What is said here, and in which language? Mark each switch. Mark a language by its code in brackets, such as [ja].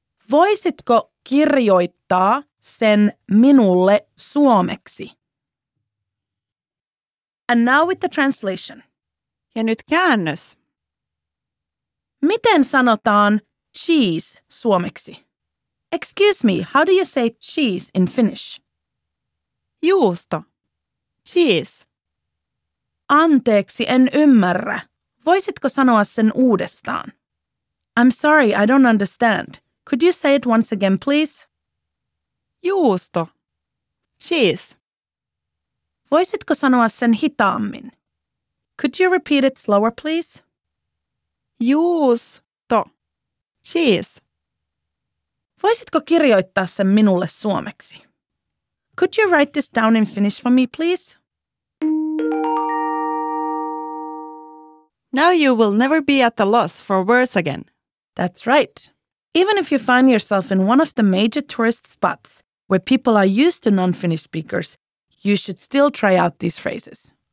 [fi] Voisitko kirjoittaa sen minulle suomeksi? [en] And now with the translation. [fi] Ja nyt käännös. Miten sanotaan cheese suomeksi? [en] Excuse me, how do you say cheese in Finnish? [fi] Juusto. Cheese. Anteeksi, en ymmärrä. Voisitko sanoa sen uudestaan? [en] I'm sorry, I don't understand. Could you say it once again, please? [fi] Juusto. Cheese. Voisitko sanoa sen hitaammin? [en] Could you repeat it slower, please? [fi] Juusto. Cheese. Voisitko kirjoittaa sen minulle suomeksi? [en] Could you write this down in Finnish for me, please? Now you will never be at a loss for words again. That's right. Even if you find yourself in one of the major tourist spots where people are used to non-Finnish speakers, you should still try out these phrases.